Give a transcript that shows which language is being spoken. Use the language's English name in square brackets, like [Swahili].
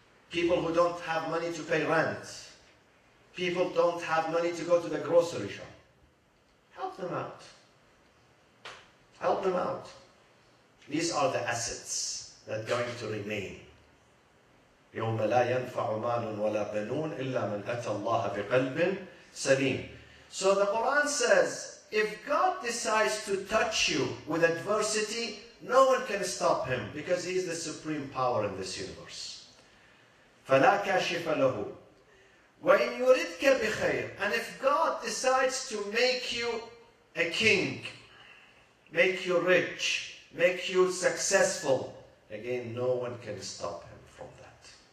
[English] People who don't have money to pay rent. People don't have money to go to the grocery shop. Help them out. These are the assets that are going to remain. [Arabic] يوم لا ينفع مال ولا بنون إلا من أتى الله بقلب سليم. [English] So the Quran says, if God decides to touch you with adversity, no one can stop him because he is the supreme power in this universe. [Arabic] فلا كاشف له. وَإِنْ يُرِدْكَ بِخَيْرٍ. [English] And if God decides to make you a king, make you rich, make you successful, again, no one can stop him from that.